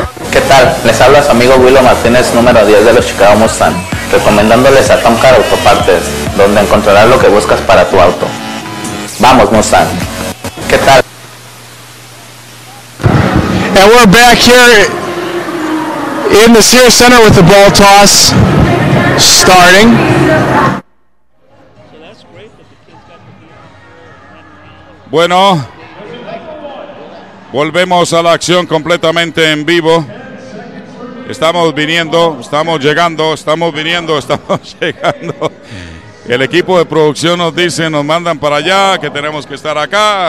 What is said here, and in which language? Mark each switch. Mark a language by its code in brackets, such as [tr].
[es] ¿Qué tal? Les habla su amigo Willow Martínez, número 10 de los Chicago Mustang, recomendándoles a Tom Car Autopartes, donde encontrarás lo que buscas para tu auto. Vamos, Mustang. ¿Qué tal? [en] And we're back here in the Sears Center with the ball toss starting. [es] Bueno, volvemos a la acción completamente en vivo. Estamos llegando. El equipo de producción nos dice, nos mandan para allá, que tenemos que estar acá.